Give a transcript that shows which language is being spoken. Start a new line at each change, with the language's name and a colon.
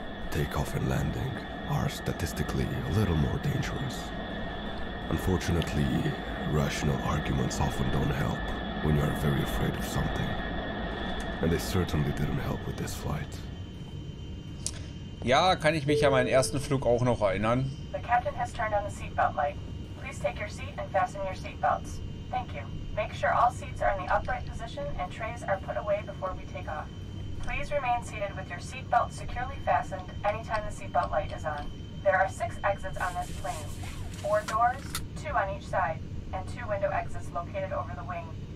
English: Takeoff and landing are statistically a little more dangerous. Unfortunately, rational arguments often don't help when you are very afraid of something. And they certainly didn't help with this flight.
German: Ja, kann ich mich an meinen ersten Flug auch noch erinnern.
English: The captain has turned on the seatbelt light. Please take your seat and fasten your seatbelts. Thank you. Make sure all seats are in the upright position and trays are put away before we take off. Please remain seated with your seatbelt securely fastened anytime the seatbelt light is on. There are 6 exits on this plane. 4 doors, 2 on each side, and 2 window exits located over the wing.